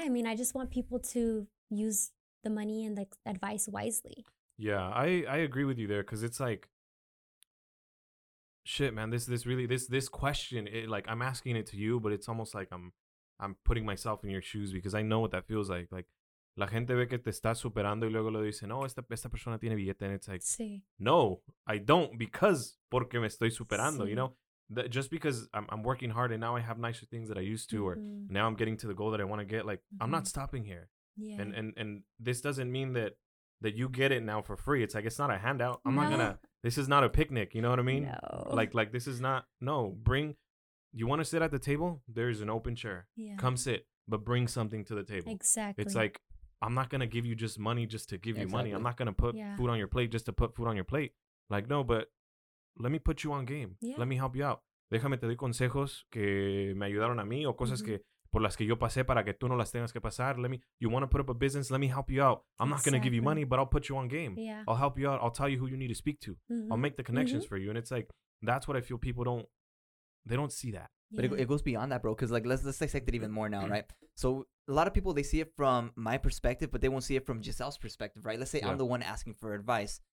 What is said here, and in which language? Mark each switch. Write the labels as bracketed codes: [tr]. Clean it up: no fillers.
[en] I mean, I just want people to use the money and the advice wisely. Yeah, I agree with you there cuz it's like shit, man, this question, it, like, I'm asking it to you, but it's almost like I'm putting myself in your shoes because I know what that feels like. [es] Like, la gente ve que te está superando y luego le dicen, oh, esta persona tiene billete. [en] And it's like, [es] sí. [en] No, I don't because [es] porque me estoy superando, sí. [en] You know? Just because I'm working hard and now I have nicer things that I used to or now I'm getting to the goal that I want to get, like, I'm not stopping here. Yeah. And this doesn't mean that you get it now for free. It's like, it's not a handout. This is not a picnic. You know what I mean? No. Like this is not, no, bring, you want to sit at the table? There's an open chair. Yeah. Come sit, but bring something to the table. Exactly. It's like, I'm not going to give you just money just to give you money. I'm not going to put food on your plate just to put food on your plate. Like, no, but let me put you on game. Yeah. Let me help you out. [es] Déjame te doy consejos que me ayudaron a mí o cosas que por las que yo pasé para que tú no las tengas que pasar. [en] Let me, you want to put up a business? Let me help you out. I'm not going to give you money, but I'll put you on game. Yeah. I'll help you out. I'll tell you who you need to speak to. Mm-hmm. I'll make the connections for you. And it's like, that's what I feel people don't, they don't see that. Yeah. But it goes beyond that, bro. Because like, let's dissect it even more now, right? So a lot of people, they see it from my perspective, but they won't see it from Giselle's perspective, right? Let's say I'm the one asking for advice.